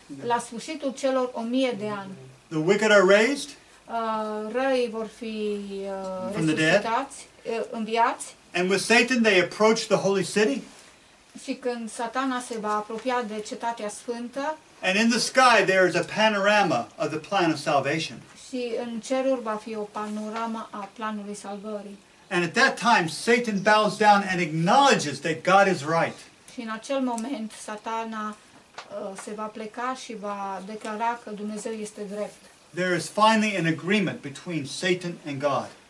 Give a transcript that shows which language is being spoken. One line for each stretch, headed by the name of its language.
Romanian: La sfârșitul celor 1000 de ani.
English: The wicked are raised.
Romanian: Răi vor fi resuscitați, înviați.
English: And with Satan they approach the holy city.
Romanian: Și când Satana se va apropia de cetatea sfântă.
English: And in the sky there is a panorama of the plan of salvation.
Romanian: Și în ceruri va fi o panoramă a planului salvării.
English: And at that time Satan bows down and acknowledges that God is right.
Romanian: Și în acel moment Satana se va pleca și va declara că Dumnezeu este drept.
English: There is finally an agreement between Satan and God.